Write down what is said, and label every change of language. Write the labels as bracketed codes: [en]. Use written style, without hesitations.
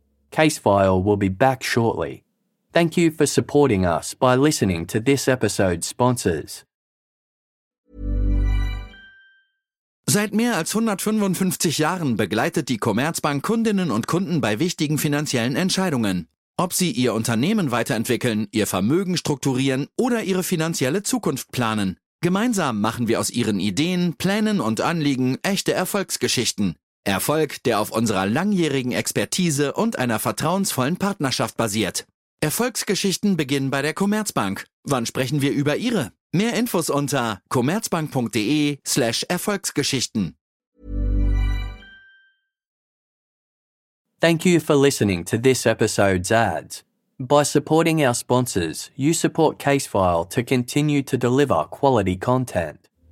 [en] Case File will be back shortly. Thank you for supporting us by listening to this episode's sponsors. [de] Seit mehr als 155 Jahren begleitet die Commerzbank Kundinnen und Kunden bei wichtigen finanziellen Entscheidungen. Ob sie ihr Unternehmen weiterentwickeln, ihr Vermögen strukturieren oder ihre finanzielle Zukunft planen. Gemeinsam machen wir aus ihren Ideen, Plänen und Anliegen echte Erfolgsgeschichten. Erfolg, der auf unserer langjährigen Expertise und einer vertrauensvollen Partnerschaft basiert. Erfolgsgeschichten beginnen bei der Commerzbank. Wann sprechen wir über Ihre? Mehr Infos unter commerzbank.de/erfolgsgeschichten. [en] Thank you for listening to this episode's ads. By supporting our sponsors, you support Casefile to continue to deliver quality content.